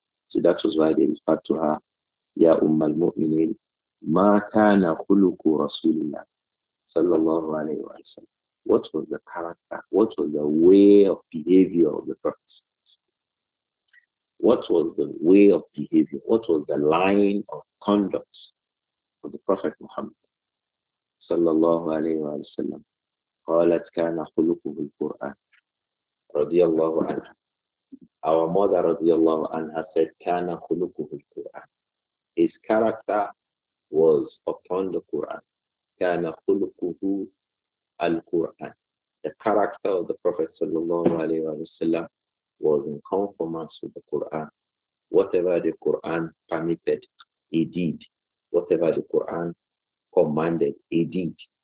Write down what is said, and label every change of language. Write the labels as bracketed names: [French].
[English] So that was why they referred to her, [Arabic] Ya Ummar Mu'mini, Ma kana khuluku Rasulillah, [English] sallallahu alayhi wa sallam. What was the character? What was the way of behavior of the Prophet? What was the way of behavior? What was the line of conduct of the Prophet Muhammad, sallallahu alayhi wa sallam? [Arabic] قالت كان خلقه القرآن رضي الله عنها. [English] Our mother رضي الله عنها said [Arabic] كان خلقه القرآن. [English] His character was upon the Quran. [Arabic] كان خلقه القرآن. [English] The character of the Prophet صلى الله عليه وسلم was in conformance with the Quran. Whatever the Quran permitted, he did. Whatever the Quran commanded, he did.